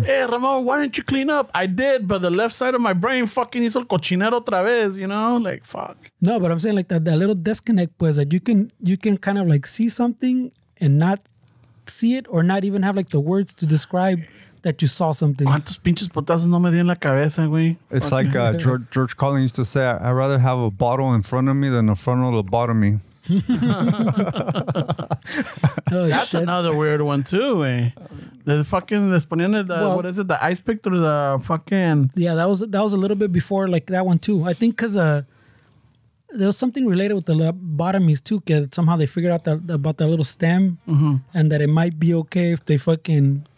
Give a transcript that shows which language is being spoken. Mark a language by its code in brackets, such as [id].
[en] Hey, Ramon, why didn't you clean up? I did, but the left side of my brain fucking [es] hizo el cochinero otra vez, [en] you know? Like, fuck. No, but I'm saying like that little disconnect was that you can kind of like see something and not see it, or not even have like the words to describe that you saw something. [es] ¿Cuántos pinches putazos no me di en la cabeza, güey? [en] It's like George Carlin used to say, I'd rather have a bottle in front of me than a frontal lobotomy. Oh, that's shit. Another weird one too, güey. The fucking, the ice pick through the fucking... Yeah, that was a little bit before like that one too. I think because there was something related with the lobotomies too, que somehow they figured out that about that little stem, and that it might be okay if they fucking...